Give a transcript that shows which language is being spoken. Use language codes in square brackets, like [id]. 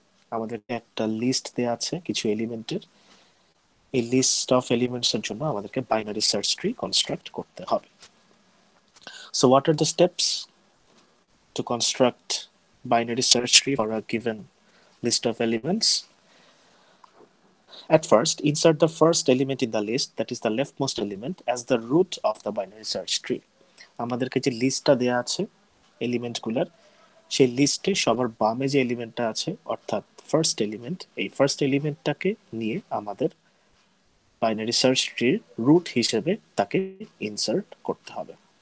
[bn] আমাদের একটা list দেয়া আছে কিছু এলিমেন্টের। এই list of elements এর জন্য আমাদেরকে binary search tree construct করতে হবে। [en] So what are the steps to construct binary search tree for a given list of elements? At first, insert the first element in the list, that is the leftmost element, as the root of the binary search tree. [bn] আমাদেরকে যে listটা দেয়া আছে এলিমেন্টগুলোর সেই লিস্টে সবার বামে যে এলিমেন্টটা আছে অর্থাৎ ফার্স্ট এলিমেন্ট এই ফার্স্ট এলিমেন্টটাকে নিয়ে আমাদের বাইনারি সার্চ ট্রির রুট হিসেবে তাকে ইনসার্ট করতে হবে